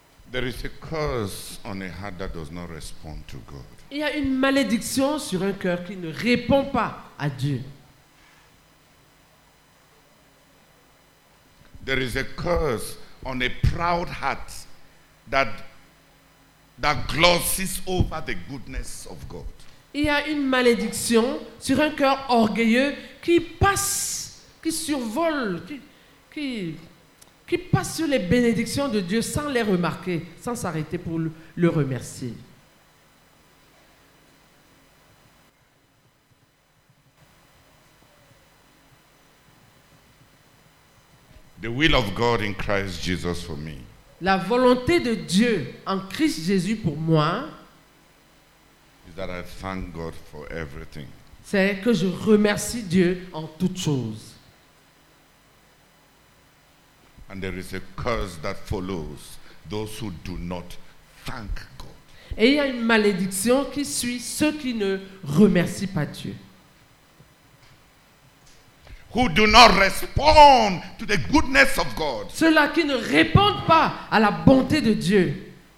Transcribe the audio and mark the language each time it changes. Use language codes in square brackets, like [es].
[en] There is a curse on a heart that does not respond to God. [fr] Il y a une malédiction sur un cœur qui ne répond pas à Dieu. [en] There is a curse on a proud heart that glosses over the goodness of God. [fr] Il y a une malédiction sur un cœur orgueilleux qui passe, qui survole, qui passe sur les bénédictions de Dieu sans les remarquer, sans s'arrêter pour le remercier. [en] The will of God in Christ Jesus for me. [fr] La volonté de Dieu en Christ Jésus pour moi. [en] Is that I thank God for everything. [fr] C'est que je remercie Dieu en toutes choses. [en] And there is a curse that follows those who do not thank God. [fr] Et il y a une malédiction qui suit ceux qui ne remercient pas Dieu. [en] Who do not respond to the goodness of God. [fr] Ceux-là qui ne répondent pas à la bonté de Dieu.